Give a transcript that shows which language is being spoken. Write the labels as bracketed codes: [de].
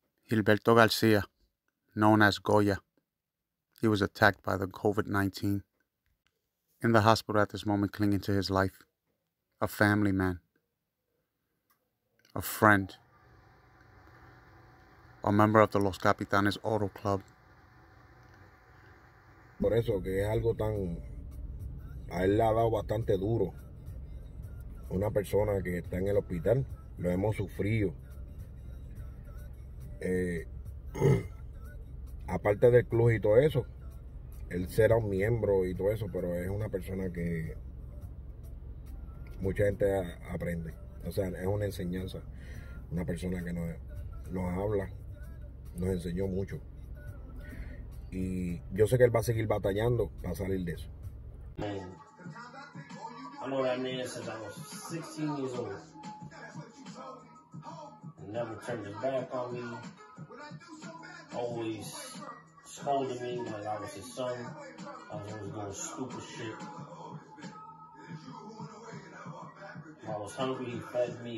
[en] Gilberto Garcia, known as Goya, he was attacked by the COVID-19. In the hospital at this moment, clinging to his life, a family man, a friend, a member of the Los Capitanes Auto Club. [es] Por eso que es algo tan, a él le ha dado bastante duro. Una persona que está en el hospital, lo hemos sufrido. Aparte del club y todo eso, él será un miembro y todo eso, pero es una persona que mucha gente aprende. O sea, es una enseñanza. Una persona que nos habla, nos enseñó mucho. Y yo sé que él va a seguir batallando para salir de eso. [en] Man, I know that man since I was 16 years old. He never turned his back on me. Always scolded me like I was his son. I was always doing stupid shit. When I was hungry, he fed me.